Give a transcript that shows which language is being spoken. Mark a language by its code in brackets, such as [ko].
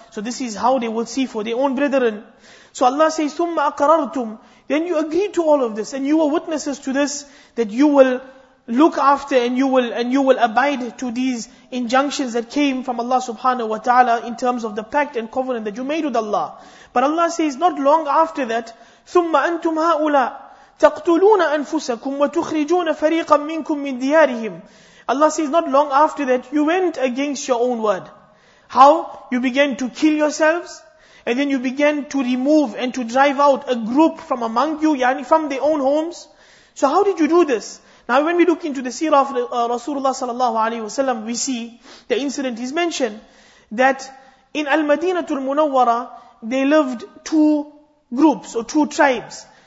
[en] So this is how they will see for their own brethren. So Allah says, [ar] ثُمَّ أَقْرَرْتُمْ, [en] then you agreed to all of this, and you were witnesses to this, that you will look after and you will abide to these injunctions that came from Allah subhanahu wa ta'ala in terms of the pact and covenant that you made with Allah. But Allah says, not long after that, [ar] ثُمَّ أَنْتُمْ هَؤُلَاء تَقْتُلُونَ أَنفُسَكُمْ وَتُخْرِجُونَ فَرِيقًا مِّنْكُمْ مِّنْ دِيَارِهِمْ. [en] Allah says, not long after that, you went against your own word. How? You began to kill yourselves, and then you began to remove and to drive out a group from among you, yani from their own homes. So how did you do this? Now when we look into the seerah of Rasulullah sallallahu alayhi wa sallam, we see the incident is mentioned that in Al-Madinatul Munawwara, they lived two groups or two tribes.